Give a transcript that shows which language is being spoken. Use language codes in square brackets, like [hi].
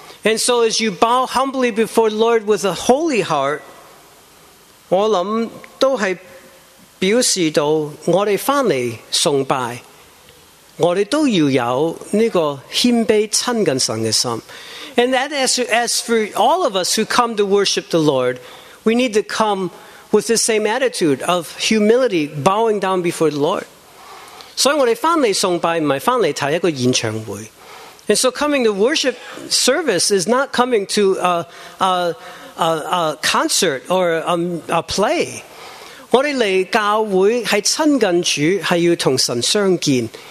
[en] And so as you bow humbly before the Lord with a holy heart, [zh] 我想都是表示到我们回来崇拜, 我们都要有这个谦卑亲近神的心。 [en] And that is, as for all of us who come to worship the Lord, we need to come with the same attitude of humility, bowing down before the Lord. [zh] 所以我们回来崇拜不是回来参加一个演唱会。 [en] And so coming to worship service is not coming to a concert or a play. [zh] 我们来教会是亲近主，是要同神相见。